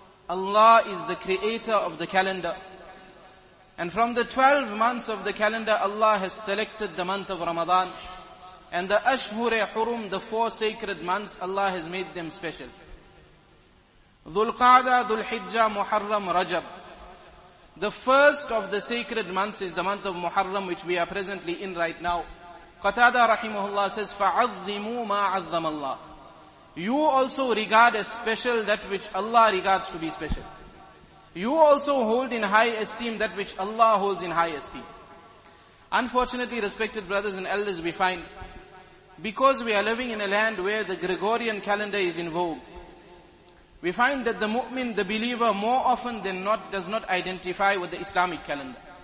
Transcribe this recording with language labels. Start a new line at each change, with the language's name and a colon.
English: Allah is the creator of the calendar. And from the 12 months of the calendar, Allah has selected the month of Ramadan. And the Ashhure Hurum, the four sacred months, Allah has made them special. Dhulqa'da, Dhulhijjah, Muharram, Rajab. The first of the sacred months is the month of Muharram, which we are presently in right now. Qatada rahimahullah says,
Arabic: فَعَظِّمُوا مَا عَظَّمَ اللَّهِ.
English: You also regard as special that which Allah regards to be special. You also hold in high esteem that which Allah holds in high esteem. Unfortunately, respected brothers and elders, we find, because we are living in a land where the Gregorian calendar is in vogue, we find that the mu'min, the believer, more often than not, does not identify with the Islamic calendar.